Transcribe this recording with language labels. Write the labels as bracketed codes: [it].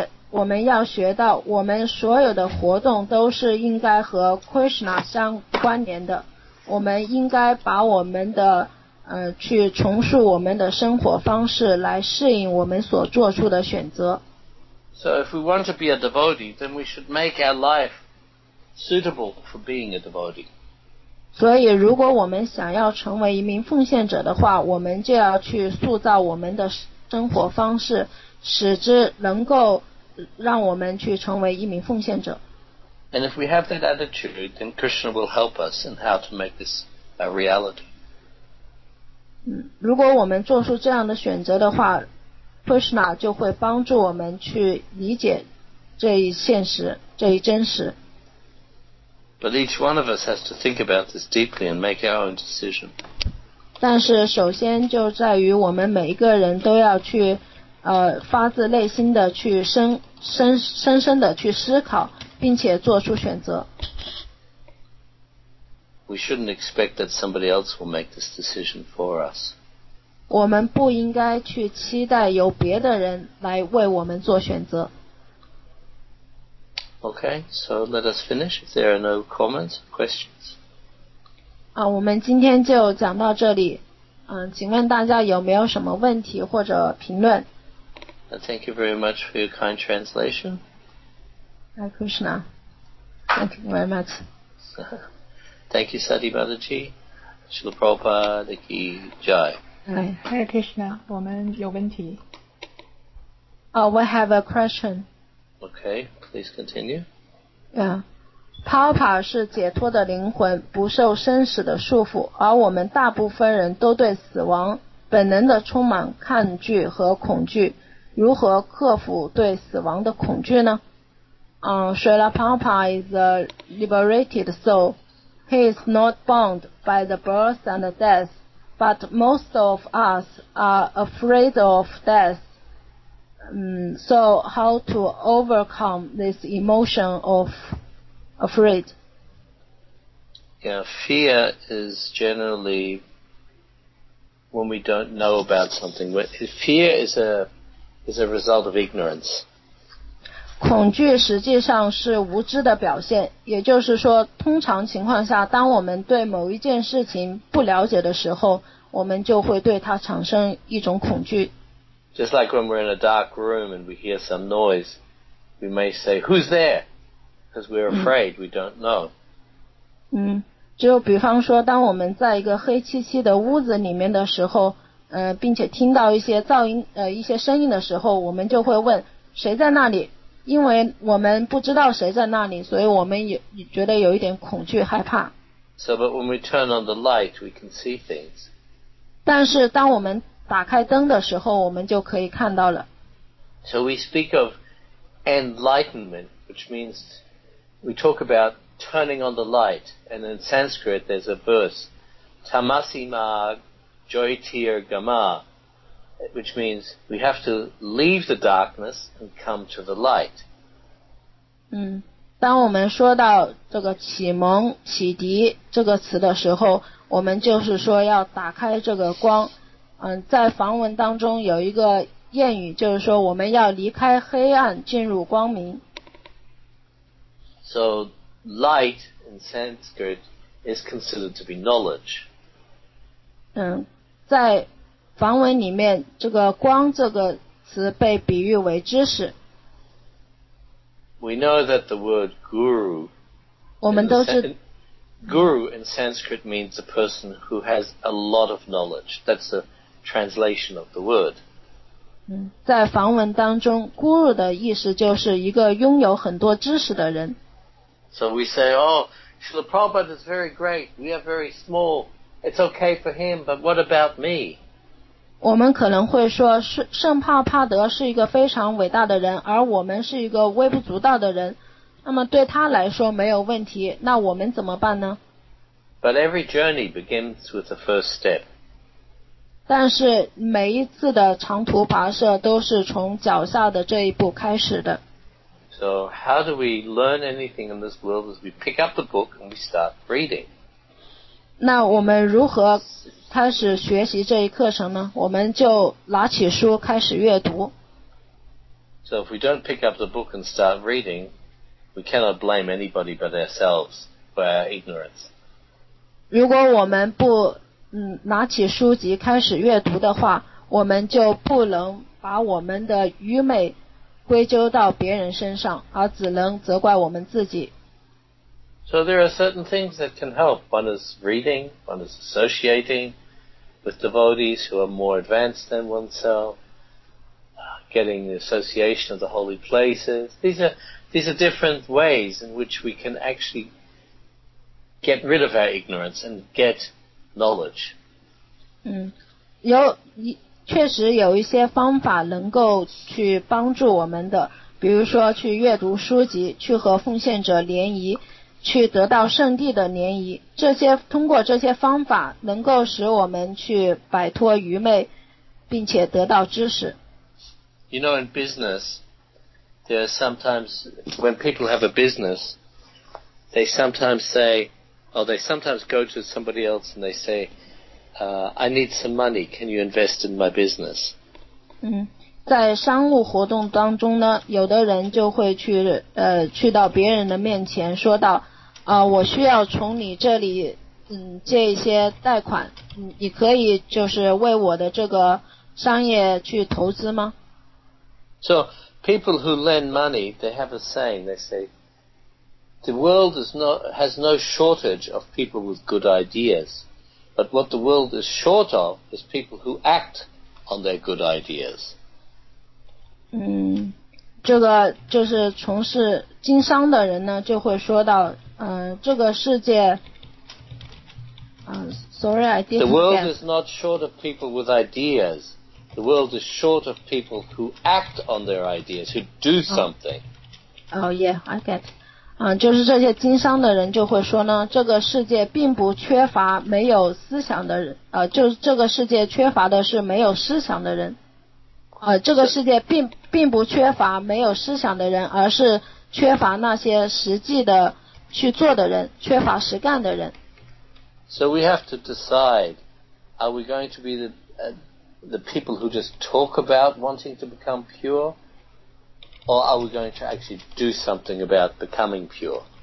[zh] 我们要学到我们所有的活动都是应该和 Krishna 相关联的，我们应该把我们的去重塑我们的生活方式来适应我们所做出的选择。 [en] So if we want to be a devotee, then we should make our life suitable for being a devotee. [zh] 所以如果我们想要成为一名奉献者的话，我们就要去塑造我们的生活方式，使之能够让我们去成为一名奉献者。 [en] And if we have that attitude, then Krishna will help us in how to make this a reality. [zh] 如果我们做出这样的选择的话， Krishna 就会帮助我们去理解这一现实，这一真实。 [en] But each one of us has to think about this deeply and make our own decision. [zh] 但是首先就在于我们每一个人都要去发自内心的去深的去思考并且做出选择。 [en] We shouldn't expect that somebody else will make this decision for us. [zh] 我们不应该去期待由别的人来为我们做选择。 [en] Okay, so let us finish. If there are no comments or questions. [zh] 我们今天就讲到这里。请问大家有没有什么问题或者评论？ [en] Thank you very much for your kind translation. Hare Krishna. Thank you very much. Thank you, Sati Mataji. Srila Prabhupada Ki Jai. [zh] Hare Krishna. 我们有问题。 [en] We have a question. Okay. Please continue. Yeah. [zh] Papa 是解脱的灵魂，不受生死的束缚，而我们大部分人都对死亡本能的充满抗拒和恐惧。如何克服对死亡的恐惧呢？ [en] Srila Prabhupada is a liberated soul. He is not bound by the birth and the death, but most of us are afraid of death. So how to overcome this emotion of afraid? Yeah, fear is generally when we don't know about something. Fear is a result of ignorance. [zh] 恐惧实际上是无知的表现，也就是说，通常情况下，当我们对某一件事情不了解的时候，我们就会对它产生一种恐惧。 [en] Just like when we're in a dark room and we hear some noise, we may say, "Who's there?" Because we're afraid, we don't know. [zh] 就比方说，当我们在一个黑漆漆的屋子里面的时候，并且听到一些噪音，一些声音的时候，我们就会问谁在那里，因为我们不知道谁在那里，所以我们也觉得有一点恐惧、害怕。 [en] So, but when we turn on the light, we can see things. [zh] 但是当我们打开灯的时候，我们就可以看到了。 [en] So we speak of enlightenment, which means we talk about turning on the light. And in Sanskrit, there's a verse, Tamasima Jyotir Gama, which means we have to leave the darkness and come to the light. [zh] 当我们说到这个启蒙、启迪这个词的时候，我们就是说要打开这个光。在梵文当中有一个谚语，就是说我们要离开黑暗进入光明。 [en] So light in Sanskrit is considered to be knowledge. [zh] 在梵文里面这个光这个词被比喻为知识。 [en] We know that the word guru, [zh] 我们都是 [en] guru in Sanskrit means a person who has a lot of knowledge. That's aTranslation of the word. [zh] 在梵文当中 ，guru 的意思就是一个拥有很多知识的人。 [en] So we say, "Oh, Srila Prabhupada is very great. We are very small. It's okay for him, but what about me?" [zh] 我们可能会说，圣帕帕德是一个非常伟大的人，而我们是一个微不足道的人。那么对他来说没有问题，那我们怎么办呢 [en] ？But every journey begins with the first step. [zh] 但是每一次的长途跋涉都是从脚下的这一步开始的。 [en] So how do we learn anything in this world is we pick up the book and we start reading. [zh] 那我们如何开始学习这一课程呢？我们就拿起书开始阅读。 [en] So if we don't pick up the book and start reading, we cannot blame anybody but ourselves for our ignorance. [zh] 如果我们不拿起书籍开始阅读的话，我们就不能把我们的愚昧归咎到别人身上，而只能责怪我们自己。 [en] So there are certain things that can help. One is reading, one is associating with devotees who are more advanced than oneself, getting the association of the holy places. These are different ways in which we can actually get rid of our ignorance and get. Knowledge. [zh] 确实有一些方法能够去帮助我们的，比如说去阅读书籍，去和奉献者联谊，去得到圣地的涟漪。这些通过这些方法能够使我们去摆脱愚昧并且得到知识。 [en] You know, in business, there are sometimes, when people have a business, they sometimes say, or they sometimes go to somebody else and they say, I need some money, can you invest in my business? [zh] 在商务活动当中呢，有的人就会去去到别人的面前说道，我需要从你这里借一些贷款，你可以就是为我的这个商业去投资吗？ [en] So, people who lend money, they have a saying, they say, the world has no shortage of people with good ideas, but what the world is short of is people who act on their good ideas. [zh] 这个就是从事经商的人呢就会说到这个世界 [en] sorry, I didn't The world is not short of people with ideas. The world is short of people who act on their ideas, who do something. Oh, yeah, I get. [zh] 就是这些经商的人就会说呢，这个世界并不缺乏没有思想的人，就是这个世界缺乏的是没有思想的人。这个世界并不缺乏没有思想的人，而是缺乏那些实际的去做的人，缺乏实干的人。 [en] So we have to decide, are we going to be the people who just talk about wanting to become pure, or are we going to actually do something about becoming pure?